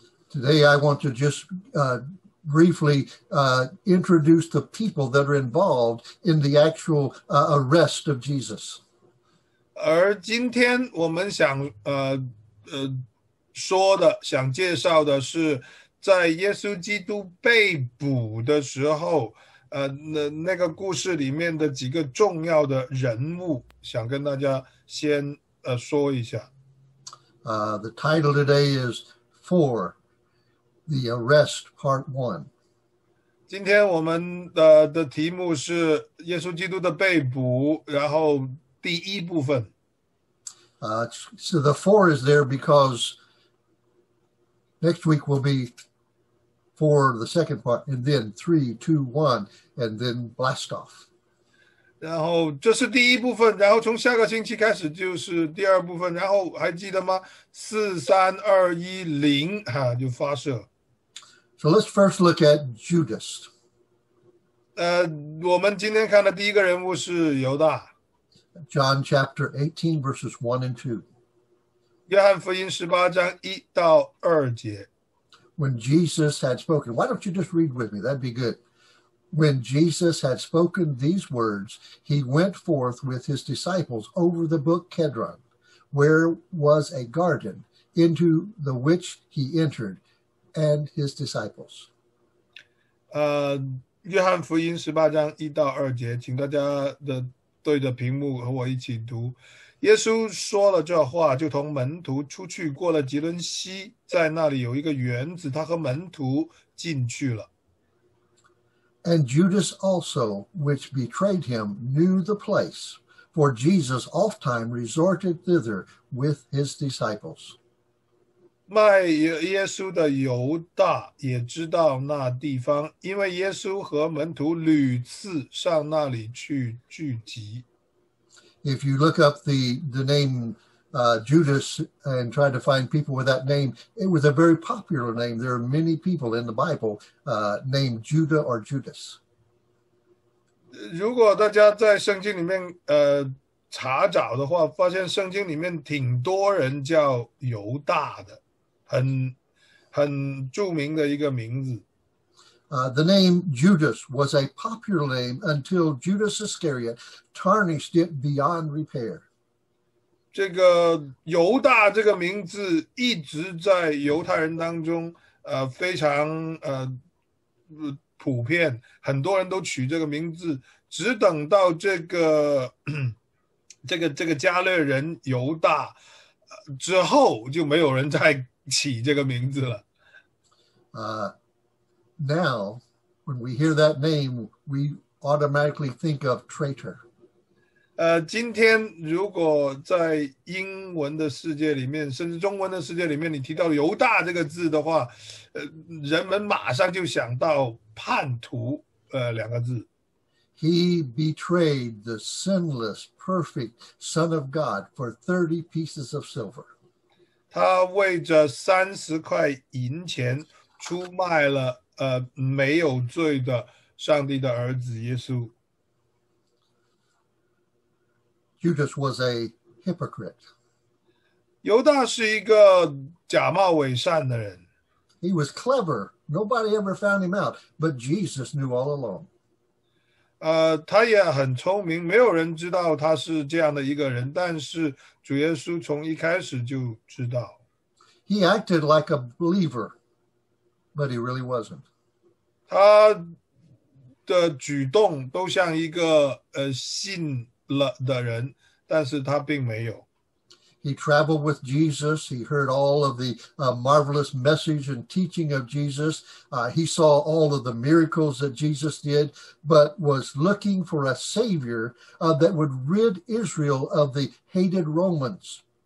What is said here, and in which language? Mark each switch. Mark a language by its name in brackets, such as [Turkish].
[English] Today I want to just briefly introduce the people that are involved in the actual arrest of Jesus. [Chinese] 而今天我们想说的，想介绍的是在耶稣基督被捕的时候那个故事里面的几个重要的人物，想跟大家先说一下。 [English] The title today is For the Arrest Part 1. [Chinese] 今天我们的题目是耶稣基督的被捕，然后第一部分。 [English] So the four is there because next week will be for the second part, and then 3, 2, 1, and then blast off. [Chinese] 然后这是第一部分，然后从下个星期开始就是第二部分，然后还记得吗？ 4, 3, 2, 1, 0，就发射。 [English] So let's first look at Judas. [Chinese] 我们今天看的第一个人物是犹大。 [English] John chapter 18, verses 1 and 2. [Chinese] 约翰福音十八章一到二节。 [English] When Jesus had spoken, why don't you just read with me? That'd be good. When Jesus had spoken these words, he went forth with his disciples over the brook Kedron, where was a garden, into the which he entered, and his disciples. [Chinese] 约翰福音十八章一到二节，请大家的对着屏幕和我一起读。耶稣说了这话，就同门徒出去，过了吉伦西，在那里有一个园子，他和门徒进去了。 [English] And Judas also, which betrayed him, knew the place, for Jesus oft time resorted thither with his disciples. [Chinese] 卖耶稣的犹大也知道那地方，因为耶稣和门徒屡次上那里去聚集。 [English] If you look up the name Judas and try to find people with that name, it was a very popular name. There are many people in the Bible named Judah or Judas. [Chinese] 如果大家在圣经里面查找的话，发现圣经里面挺多人叫犹大的，很著名的一个名字。 [English] The name Judas was a popular name until Judas Iscariot tarnished it beyond repair. [Chinese] 这个犹大这个名字一直在犹太人当中非常普遍，很多人都取这个名字，只等到这个加勒人犹大之后，就没有人再起这个名字了。 [English] Now, when we hear that name, we automatically think of traitor. [Chinese] 今天如果在英文的世界里面，甚至中文的世界里面，你提到犹大这个字的话，人们马上就想到叛徒，两个字。 [English] He betrayed the sinless, perfect Son of God for 30 pieces of silver. [Chinese] 他为着30块银钱出卖了没有罪的上帝的儿子耶稣。 [English] Judas was a hypocrite. [Chinese] 犹大是一个假冒伪善的人。 [English] He was clever. Nobody ever found him out, but Jesus knew all along. [Chinese] 他也很聪明，没有人知道他是这样的一个人，但是主耶稣从一开始就知道。 [English] He acted like a believer, but he really wasn't. [Chinese] 他的举动都像一个信了的人，但是他并没有。 [English] He traveled with Jesus. He heard all of the marvelous message and teaching of Jesus. He saw all of the miracles that Jesus did, but was looking for a savior that would rid Israel of the hated Romans.